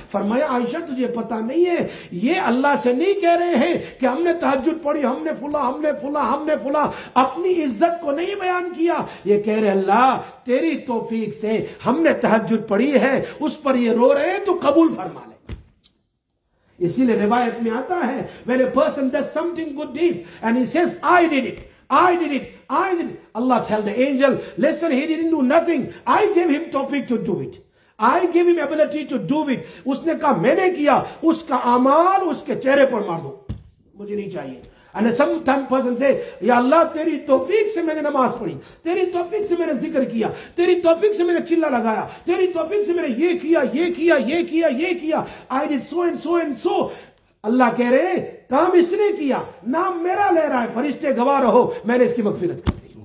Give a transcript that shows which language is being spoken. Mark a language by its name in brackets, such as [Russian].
[Hindi] फरमाया आयशा तुझे पता नहीं है, ये अल्लाह से नहीं कह रहे हैं कि हमने तहज्जुद पढ़ी, हमने फुला हमने फुला हमने फुला, अपनी इज्जत को नहीं बयान किया, ये कह रहे अल्लाह तेरी तौफीक से हमने तहज्जुद पढ़ी है उस पर ये रो रहे हैं तो कबूल फरमा ले। इसीलिए रिवायत में आता है [English] when a person does something good deeds and he says I did it I did it I did it, Allah tell the angel listen he didn't do nothing, I gave him topic to do it, I gave him ability to do it, [Hindi] उसने कहा मैंने किया, उसका आमाल उसके चेहरे पर मार दो मुझे नहीं चाहिए। [English] And sometimes person say, [Hindi] या अल्लाह तेरी तौफीक से मैंने नमाज पढ़ी, तेरी तौफीक से मैंने जिक्र किया, तेरी तौफीक से मैंने चिल्ला लगाया, तेरी तौफीक से मैंने ये किया ये किया ये किया ये किया, [English] I did so and so and so. [Hindi] अल्लाह कह रहे काम इसने किया, नाम मेरा ले रहा है, फरिश्ते गवाह रहो मैंने इसकी मगफिरत कर दी।